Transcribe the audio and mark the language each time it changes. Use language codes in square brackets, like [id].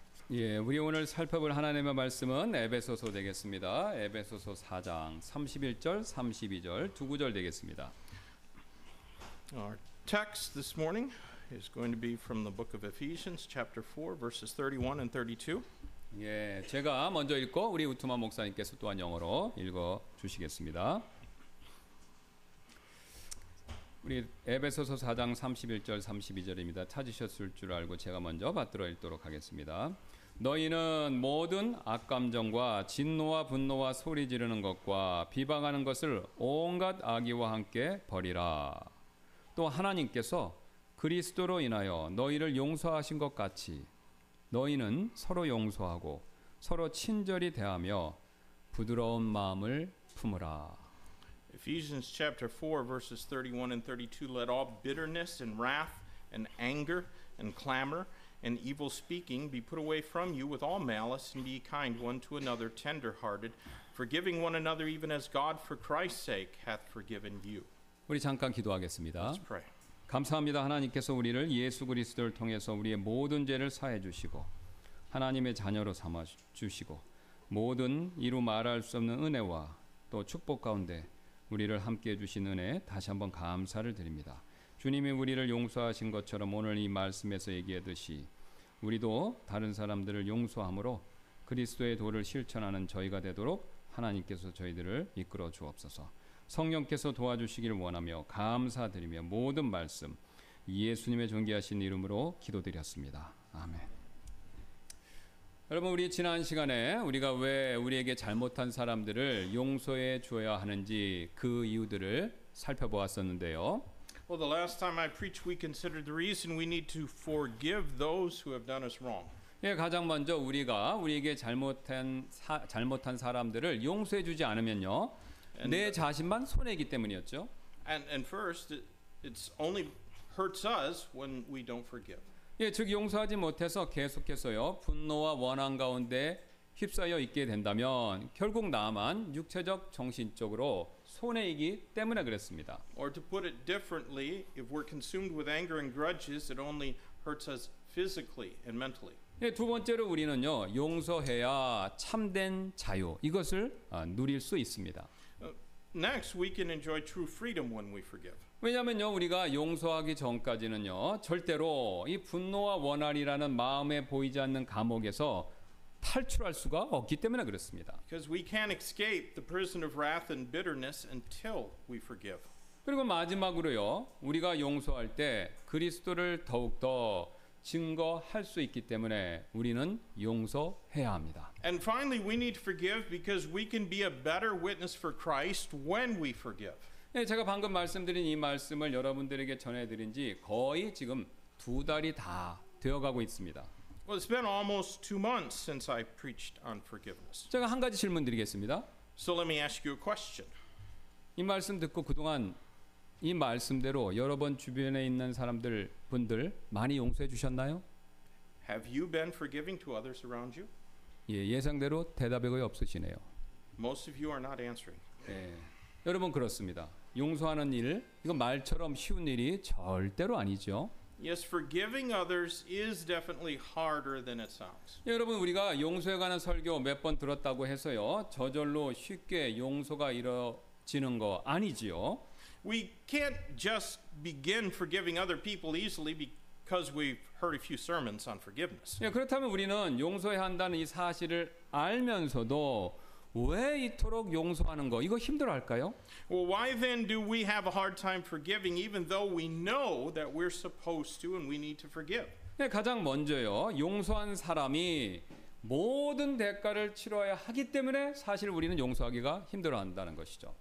[ko] Yeah, 우리 오늘 살펴볼 하나님의 말씀은 에베소서 되겠습니다. 에베소서 4장 31절, 32절 두 구절 되겠습니다. [en] Our text this morning is going to be from the book of Ephesians chapter 4 verses 31 and 32. [ko] 예, 제가 먼저 읽고 우리 우투만 목사님께서 또한 영어로 읽어 주시겠습니다. 우리 에베소서 4장 31절, 32절입니다. 찾으셨을 줄 알고 제가 먼저 받들어 읽도록 하겠습니다. 너희는 모든 악감정과 진노와 분노와 소리 지르는 것과 비방하는 것을 온갖 악의와 함께 버리라. 또 하나님께서 그리스도로 인하여 너희를 용서하신 것 같이 너희는 서로 용서하고 서로 친절히 대하며 부드러운 마음을 품으라. [en] Ephesians chapter 4 verses 31 and 32 let all bitterness and wrath and anger and clamor and evil speaking be put away from you with all malice and be kind one to another tender hearted forgiving one another even as God for Christ's sake hath forgiven you. [ko] 우리 잠깐 기도하겠습니다. [en] Let's pray. [ko] 감사합니다. 하나님께서 우리를 예수 그리스도를 통해서 우리의 모든 죄를 사해 주시고 하나님의 자녀로 삼아 주시고 모든 이루 말할 수 없는 은혜와 또 축복 가운데 우리를 함께 해 주신 은혜 다시 한번 감사를 드립니다. 주님이 우리를 용서하신 것처럼 오늘 이 말씀에서 얘기하듯이 우리도 다른 사람들을 용서함으로 그리스도의 도를 실천하는 저희가 되도록 하나님께서 저희들을 이끌어 주옵소서. 성령께서 도와주시기를 원하며 감사드리며 모든 말씀 예수님의 존귀하신 이름으로 기도드렸습니다. 아멘. 여러분 우리 지난 시간에 우리가 왜 우리에게 잘못한 사람들을 용서해 주어야 하는지 그 이유들을 살펴보았었는데요. [en] Well, the last time I preached, we considered the reason we need to forgive those who have done us wrong. [ko] 예, 가장 먼저 우리가 우리에게 잘못한 사람들을 용서해 주지 않으면요. 내 자신만 손해이기 때문이었죠. [en] And first, it's only hurts us when we don't forgive. [ko] 예, 즉 용서하지 못해서 계속해서요 분노와 원한 가운데 휩싸여 있게 된다면 결국 나만 육체적, 정신적으로 손해이기 때문에 그랬습니다. [en] Or to put it differently, if we're consumed with anger and grudges, it only hurts us physically and mentally. [ko] 예, 두 번째로 우리는요 용서해야 참된 자유 이것을 누릴 수 있습니다. [en] Next, we can enjoy true freedom when we forgive. [ko] 왜냐하면요, 우리가 용서하기 전까지는요, 절대로 이 분노와 원한이라는 마음에 보이지 않는 감옥에서 탈출할 수가 없기 때문에 그렇습니다. [en] Because we can't escape the prison of wrath and bitterness until we forgive. [ko] 그리고 마지막으로요, 우리가 용서할 때 그리스도를 더욱 더 증거할 수 있기 때문에 우리는 용서해야 합니다. [en] And finally, we need to forgive because we can be a better witness for Christ when we forgive. [ko] 예, 제가 방금 말씀드린 이 말씀을 여러분들에게 전해드린 지 거의 지금 두 달이 다 되어가고 있습니다. [en] Well, it's been almost two months since I preached on forgiveness. [ko] 제가 한 가지 질문 드리겠습니다. [en] So let me ask you a question. [ko] 이 말씀 듣고 그동안 이 말씀대로 여러 번 주변에 있는 사람들 분들 많이 용서해 주셨나요? [en] Have you been forgiving to others around you? [ko] 예, 예상대로 대답이 거의 없으시네요. [en] Most of you are not answering. [ko] 예, 여러분 그렇습니다. 용서하는 일, 이건 말처럼 쉬운 일이 절대로 아니죠. [en] Yes, forgiving others is definitely harder than it sounds. [ko] 예, 여러분 우리가 용서에 관한 설교 몇 번 들었다고 해서요, 저절로 쉽게 용서가 이루어지는 거 아니지요. [en] We can't just begin forgiving other people easily because we've heard a few sermons on forgiveness. [ko] 예, 그렇다면 우리는 용서해야 한다는 이 사실을 알면서도 왜 이토록 용서하는 거 이거 힘들어할까요? [en] Well, why then do we have a hard time forgiving even though we know that we're supposed to and we need to forgive? [ko] 예, 가장 먼저요. 용서한 사람이 모든 대가를 치러야 하기 때문에 사실 우리는 용서하기가 힘들어한다는 것이죠.